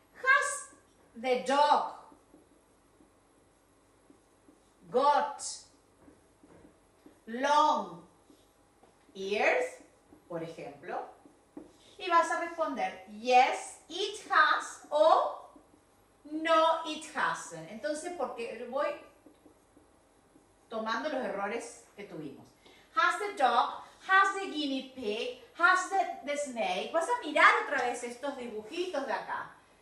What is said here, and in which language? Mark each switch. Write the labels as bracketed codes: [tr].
[en] Has the dog got long ears? [es] Por ejemplo, y vas a responder [en] yes, it has, [es] o [en] no, it hasn't. [es] Entonces, porque voy tomando los errores que tuvimos. [en] Has the dog, has the guinea pig, has the snake. [es] Vas a mirar otra vez estos dibujitos de acá.